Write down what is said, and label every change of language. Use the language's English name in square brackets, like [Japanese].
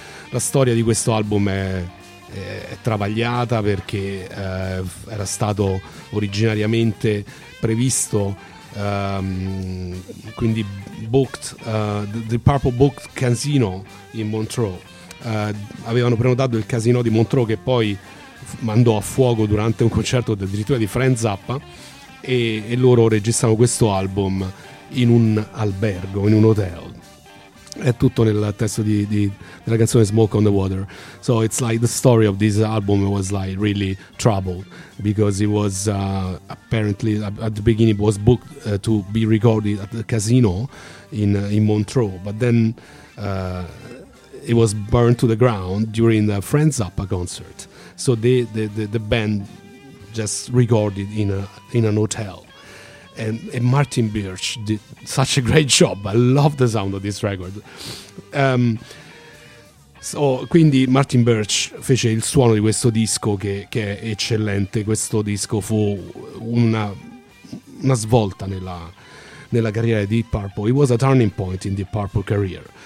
[Italian] La storia di questo album è travagliata perché era stato originariamente previsto, quindi booked, [English] the Purple booked Casino in Montreux. [Italian] Avevano prenotato il casino di Montreux, che poi mandò a fuoco durante un concerto addirittura di Frank Zappa, e loro registrano questo album in un albergo, in un hotel. È tutto nel testo della canzone Smoke on the Water. [English] So it's like the story of this album was like really troubled, because it was apparently at the beginning it was booked to be recorded at the casino in Montreux, but then it was burned to the ground during the Frank Zappa concert. So the band just recorded in an hotel. And Martin Birch did such a great job. I love the sound of this record. [Italian] Quindi Martin Birch fece il suono di questo disco che è eccellente. Questo disco fu una svolta nella carriera di Deep Purple. [English] It was a turning point in Deep Purple career.